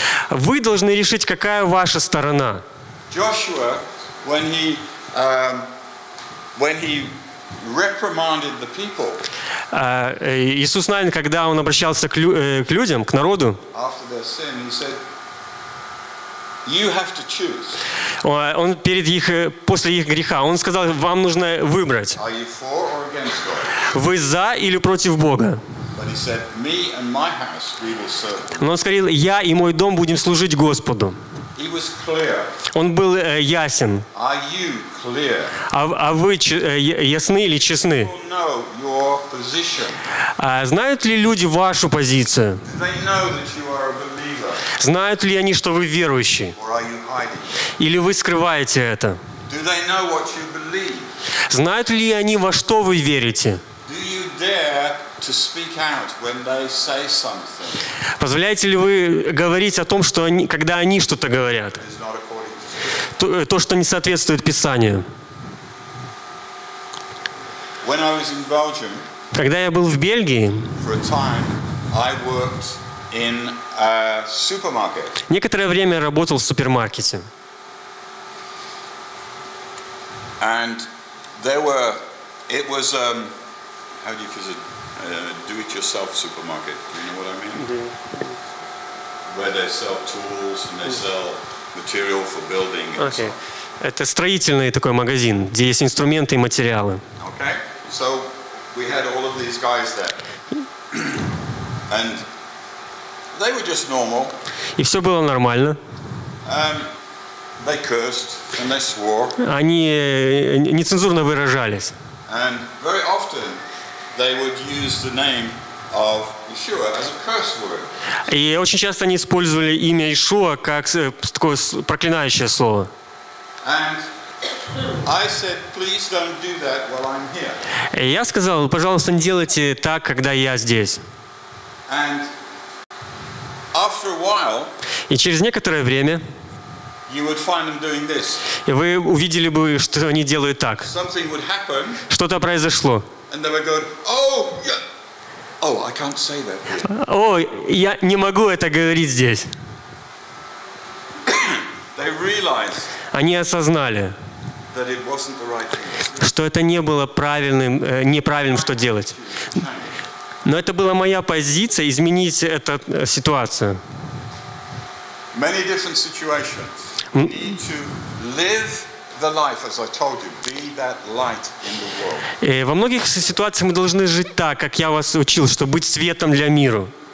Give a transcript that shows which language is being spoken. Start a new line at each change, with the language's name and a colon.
Russian: Вы должны решить, какая ваша сторона.
English: Joshua, when he reprimanded the people,
Russian: Иисус Навин, когда он обращался к людям, к народу,
English: after their sin, he said, you have to choose.
Russian: Он перед их, после их греха, он сказал, вам нужно выбрать.
English: Are you for or against God?
Russian: Вы за или против Бога?
English: But he said, me and my house, we will serve.
Russian: Но он сказал, я и мой дом будем служить Господу.
English: He was clear.
Russian: Он был ясен.
English: Are you clear?
Russian: А вы ясны или честны?
English: People know your position.
Russian: Знают ли люди вашу позицию?
English: Do they know that you are a believer?
Russian: Знают ли они, что вы верующий?
English: Or are you hiding?
Russian: Или вы скрываете это?
English: Do they know what you believe?
Russian: Знают ли они, во что вы верите?
English: Do you dare to speak out when they say something?
Russian: Позволяете ли вы говорить о том, что они, когда они что-то говорят? То, что не соответствует Писанию.
English: When I was in Belgium,
Russian: когда я был в Бельгии,
English: for a time, I worked in a supermarket.
Russian: Некоторое время я работал в супермаркете.
English: And there were, it was, how do you call it, do-it-yourself supermarket, do you know what I mean? Yeah. Where they sell tools and they sell material for building. And okay. So.
Russian: Это строительный такой магазин, где есть инструменты и материалы.
English: Okay. So we had all of these guys there. And they were just normal.
Russian: И все было нормально.
English: They cursed and they swore.
Russian: Они нецензурно выражались.
English: And very often they would use the name of Yeshua as a curse word.
Russian: И очень часто они использовали имя Иешуа как такое проклинающее слово.
English: And I said, please don't do that while I'm here.
Russian: И я сказал, пожалуйста, не делайте так, когда я здесь.
English: And after a while,
Russian: и через некоторое время
English: you would find them doing this.
Russian: И вы увидели бы, что они делают так.
English: Something would happen,
Russian: что-то произошло.
English: And they would go, oh, yeah. Oh, I can't say that.
Russian: О, я не могу это говорить здесь.
English: They realized,
Russian: они осознали,
English: that it wasn't the right thing.
Russian: Что это не было правильным, неправильным, что делать. Но это была моя позиция изменить эту ситуацию.
English: Many different situations. We need to live the life, as I told you, be that light in the world.
Russian: И во многих ситуациях мы должны жить так, как я вас учил, чтобы быть светом для мира.